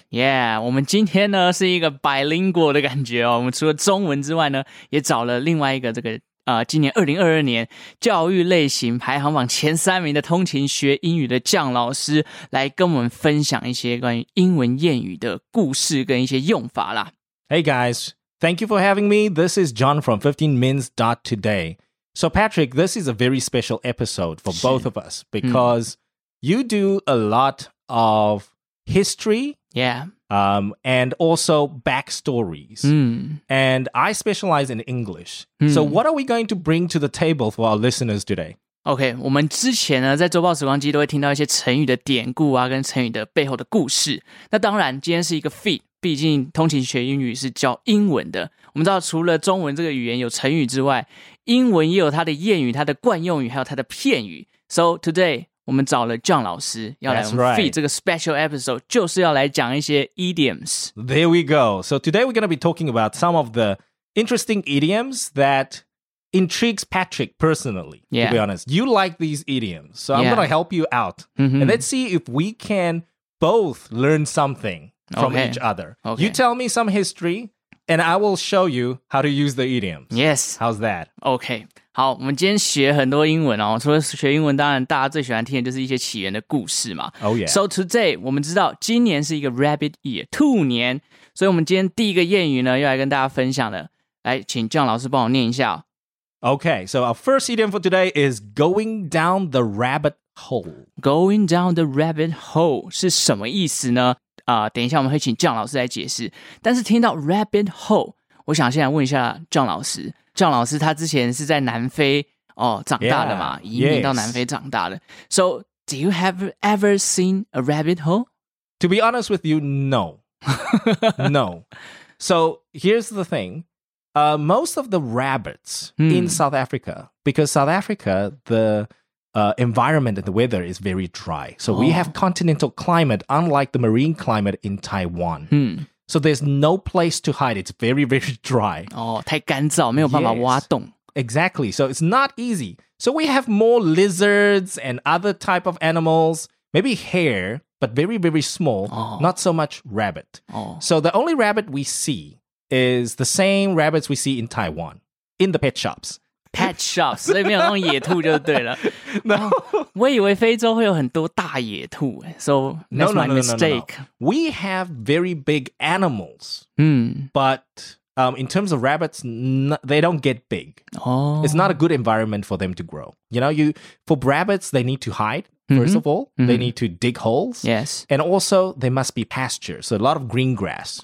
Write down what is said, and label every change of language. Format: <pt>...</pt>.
<zh>Yeah, 我们今天呢是一个 bilingual 的感觉哦。我们除了中文之外呢，也找了另外一个这个今年2022年教育类型排行榜前三名的通勤学英语的姜老师来跟我们分享一些关于英文谚语的故事跟一些用法啦。</zh> <en>Hey guys, thank you for having me. This is John from 15mins.today. So Patrick, this is a very special episode for both of us because you do a lot of history, yeah, and also backstories, and I specialize in English. So, what are we going to bring to the table for our listeners today?</en> <zh>Okay, 我们之前呢，在周报时光机都会听到一些成语的典故啊，跟成语的背后的故事。那当然，今天是一个 feed， 毕竟通勤学英语是教英文的。我们知道，除了中文这个语言有成语之外，英文也有它的谚语、它的惯用语，还有它的片语。 So today. 我们找了 John 老师要来 feed 这个 special episode，就是要来讲一些 idioms。</zh> <en>There we go. So today we're going to be talking about some of the interesting idioms that intrigues Patrick personally. Yeah. To be honest, you like these idioms, so I'm going to help you out, and let's see if we can both learn something from each other. Okay. You tell me some history, and I will show you how to use the idioms. Yes. How's that? Okay.</en> <zh>好，我们今天学很多英文哦。除了学英文，当然大家最喜欢听的就是一些起源的故事嘛。</zh> <en>Oh yeah.</en> <zh>So today, 我们知道今年是一个 rabbit year, 兔年。所以我们今天第一个谚语呢，要来跟大家分享的。来，请姜老师帮我念一下。</zh> <en>Okay, so our first idiom for today is going down the rabbit hole.</en> <zh>Going down the rabbit hole 是什么意思呢？等一下我们会请姜老师来解释。但是听到 rabbit hole, 我想先来问一下姜老师。姜老师他之前是在南非哦长大的嘛</zh> <en>yeah, 移民到南非长大的 So, do you have ever seen a rabbit hole? To be honest with you, no. No. So, here's the thing. Most of the rabbits in South Africa, because South Africa, the environment and the weather is very dry. So, we have continental climate, unlike the marine climate in Taiwan. So there's no place to hide. It's very, very dry.</en> <zh>Oh, 太干燥，没有办法挖洞。</zh> <en>Exactly. So it's not easy. So we have more lizards and other type of animals, maybe hare, but very, very small, not so much rabbit. So the only rabbit we see is the same rabbits we see in Taiwan, in the pet shops.</en> <zh>Pet shops, 所以没有那种野兔就对了。</zh> <en>No.</en> <zh>我以为非洲会有很多大野兔。</zh> <en>So, that's my mistake. No. We have very big animals, but in terms of rabbits, they don't get big. It's not a good environment for them to grow. You know, for rabbits, they need to hide, first of all. They need to dig holes. Yes. And also, there must be pasture. So, a lot of green grass.</en>